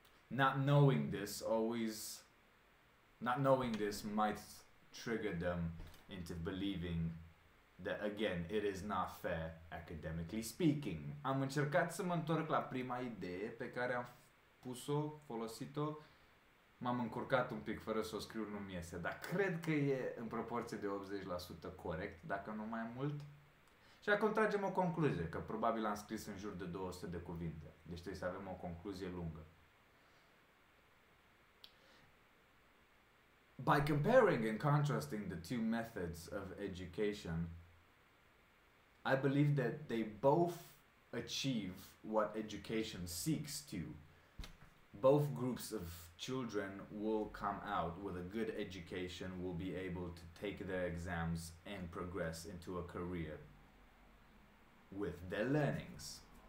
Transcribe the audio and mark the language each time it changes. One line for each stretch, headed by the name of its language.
English: Not knowing this might trigger them into believing that, again, it is not fair, academically speaking.
Romanian: Am încercat să mă întorc la prima idee pe care am pus-o, folosit-o. M-am încurcat un pic fără să o scriu, nu-mi iese. Dar cred că e în proporție de 80% corect, dacă nu mai mult. Și acum tragem o concluzie, că probabil am scris în jur de 200 de cuvinte. Deci trebuie să avem o concluzie lungă.
English: By comparing and contrasting the two methods of education, I believe that they both achieve what education seeks to. Both groups of children will come out with a good education, will be able to take their exams and progress into a career with their learnings.